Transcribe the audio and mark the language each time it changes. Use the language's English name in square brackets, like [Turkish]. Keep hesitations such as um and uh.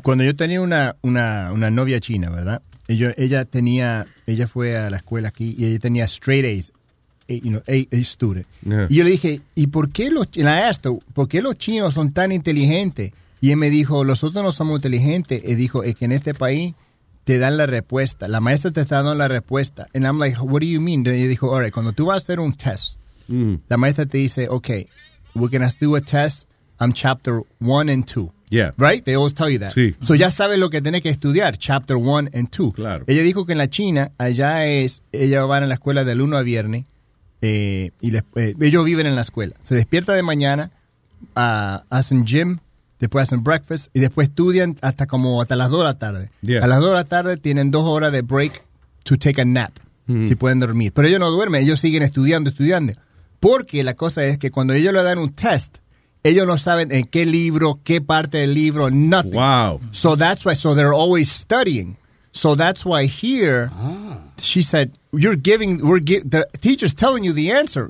[Spanish] cuando yo tenía una, una, una novia china, ¿verdad? Ella, ella tenía, ella fue a la escuela aquí y ella tenía [English] straight A's, a, you know, a, a student. Yeah. [Spanish] Y yo le dije, ¿y por qué los, esto, por qué los chinos son tan inteligentes? Y él me dijo, nosotros no somos inteligentes. Y dijo, es que en este país te dan la respuesta. La maestra te está dando la respuesta. [English] And I'm like, what do you mean? [Spanish] Y dijo, [English] all right, [Spanish] cuando tú vas a hacer un test, mm. la maestra te dice, [English] okay, we're going to do a test I'm chapter one and two. Yeah. Right? They always tell you that. [Spanish] Sí. [English] So [Spanish] ya sabes lo que tenés que estudiar, [English] chapter one and two. [Spanish] Claro. Ella dijo que en la China, allá es, ellas van a la escuela del lunes a viernes eh, y les, eh, ellos viven en la escuela. Se despierta de mañana, uh, hacen gym, después hacen breakfast y después estudian hasta como hasta las 2 de la tarde. Yeah. A las 2 de la tarde tienen dos horas de break [English] to take a nap, [Spanish] mm -hmm. si pueden dormir. Pero ellos no duermen, ellos siguen estudiando, estudiando. Porque la cosa es que cuando ellos le dan un test, ellos no saben en qué libro, qué parte del libro, [English] nothing. Wow. So that's why, so they're always studying. So that's why here, ah. she said, you're giving, we're give, the teacher's telling you the answer.